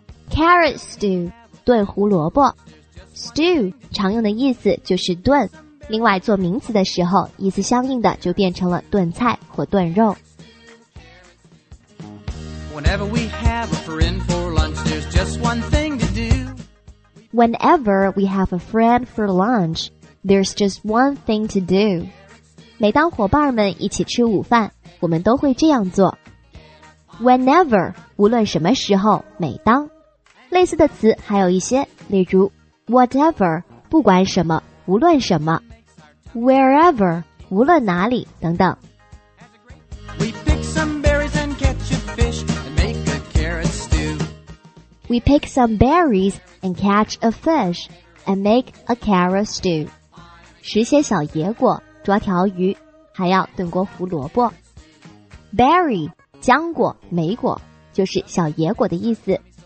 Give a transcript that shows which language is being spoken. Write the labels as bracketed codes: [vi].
[en] Carrot stew [zh] 炖胡萝卜， stew 常用的意思就是炖，另外做名词的时候意思相应的就变成了炖菜或炖肉。 [en] Whenever we have a friend for lunch, there's just one thing to do. Whenever we have a friend for lunch, there's just one thing to do. [zh] 每当伙伴们一起吃午饭，我们都会这样做。 Whenever, 无论什么时候，每当。类似的词还有一些，例如 whatever, 不管什么，无论什么， wherever, 无论哪里，等等。 [en] We pick some berries and catch a fish and make a carrot stew. We pick some berries and catch a fish and make a carrot stew. [zh] 拾些小野果，抓条鱼，还要炖锅胡萝卜。 Berry,浆果、莓果就是小野果的意思。